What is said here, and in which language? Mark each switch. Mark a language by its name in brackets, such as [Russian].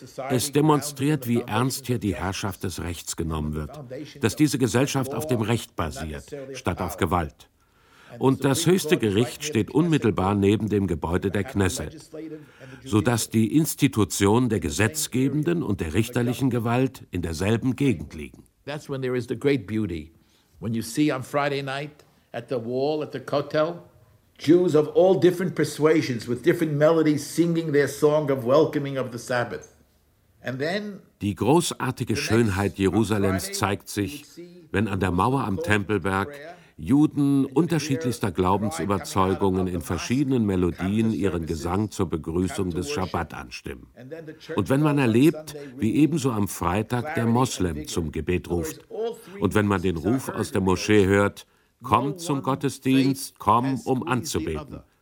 [German] Es demonstriert, wie ernst hier die Herrschaft des Rechts genommen wird, dass diese Gesellschaft auf dem Recht basiert, statt auf Gewalt. Und das höchste Gericht steht unmittelbar neben dem Gebäude der Knesset, sodass die Institutionen der gesetzgebenden und der richterlichen Gewalt in derselben Gegend liegen. [English] That's when there is the great beauty. When you see on Friday night at the wall at the Kotel, Jews of all different persuasions with different melodies singing their song of welcoming of the Sabbath. And then [German] die großartige Schönheit Jerusalems zeigt sich, wenn an der Mauer am Tempelberg Juden unterschiedlichster Glaubensüberzeugungen in verschiedenen Melodien ihren Gesang zur Begrüßung des Schabbat anstimmen. Und wenn man erlebt, wie ebenso am Freitag der Moslem zum Gebet ruft, und wenn man den Ruf aus der Moschee hört, komm zum Gottesdienst, komm, um anzubeten.